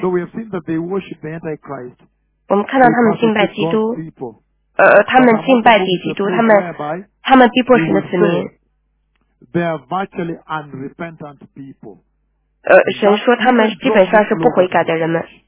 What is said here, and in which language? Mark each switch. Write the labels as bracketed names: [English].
[English] So we have seen that they worship the Antichrist. [Chinese] 我们看到他们敬拜基督，他们敬拜敌基督，他们逼迫神的子民。 [English] They are virtually unrepentant people. [Chinese] 神说他们基本上是不悔改的人们。